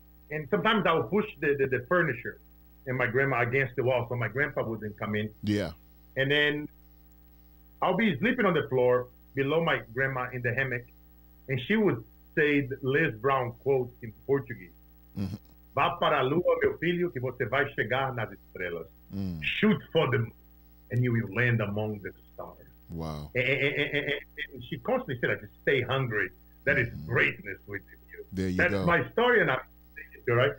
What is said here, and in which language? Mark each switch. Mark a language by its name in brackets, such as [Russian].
[English] And sometimes I would push the furniture and my grandma against the wall so my grandpa wouldn't come in. Yeah. And then I'll be sleeping on the floor below my grandma in the hammock, and she would say the Les Brown quote in Portuguese. Mm-hmm. [Portuguese] Va para a lua, meu filho, que você vai chegar nas estrelas. Mm. [English] Shoot for them, and you will land among the stars. Wow. And she constantly said, like, stay hungry. That mm-hmm. is greatness within you. There you That's go. That's my story, and I'm saying it, right?